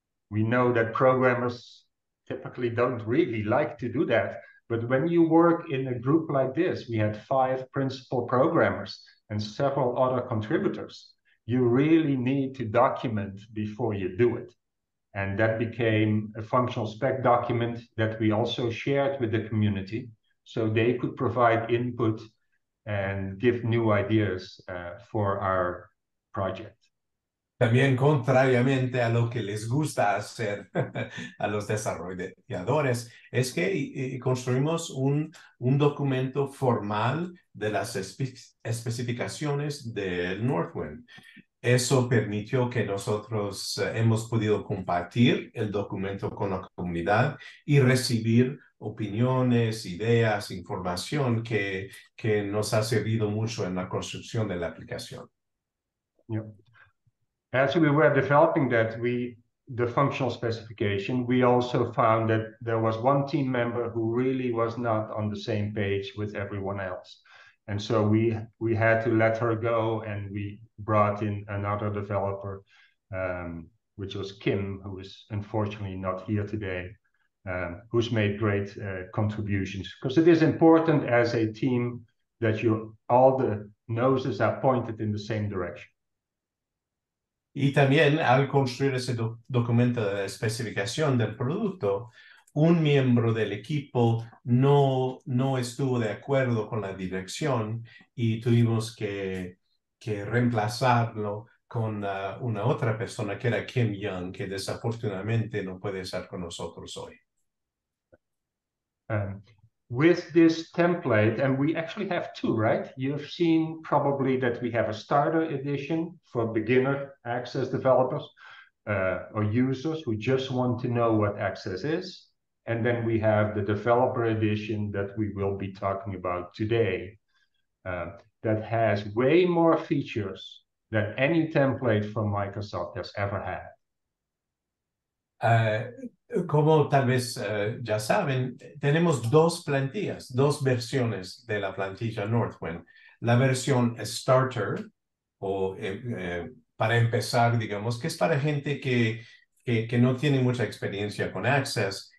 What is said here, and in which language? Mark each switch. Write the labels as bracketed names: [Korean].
[English] We know that programmers typically don't really like to do that, but when you work in a group like this, we had five principal programmers and several other contributors, you really need to document before you do it. And that became a functional spec document that we also shared with the community so they could provide input and give new ideas for our project. [Spanish] También, contrariamente a lo que les gusta hacer a los desarrolladores, es que construimos un documento formal de las especificaciones del Northwind. Eso permitió que nosotros hemos podido compartir el documento con la comunidad y recibir opiniones, ideas, información que nos ha servido mucho en la construcción de la aplicación. [English] Yeah. As we were developing that, the functional specification, we also found that there was one team member who really was not on the same page with everyone else. And so we had to let her go, and we brought in another developer, which was Kim, who is unfortunately not here today, who's made great contributions. Because it is important as a team that you all the noses are pointed in the same direction. [Spanish] Y también al construir ese documento de especificación del producto, un miembro del equipo no estuvo de acuerdo con la dirección y tuvimos que reemplazarlo con una otra persona que era Kim Young, que desafortunadamente no puede estar con nosotros hoy. [English] With this template, and we actually have two, right? You've seen probably that we have a starter edition for beginner Access developers or users who just want to know what Access is. And then we have the developer edition that we will be talking about today that has way more features than any template from Microsoft has ever had. [Spanish] Como tal vez ya saben, tenemos dos plantillas, dos versiones de la plantilla Northwind. La versión starter, o para empezar, digamos, que es para gente que no tiene mucha experiencia con Access.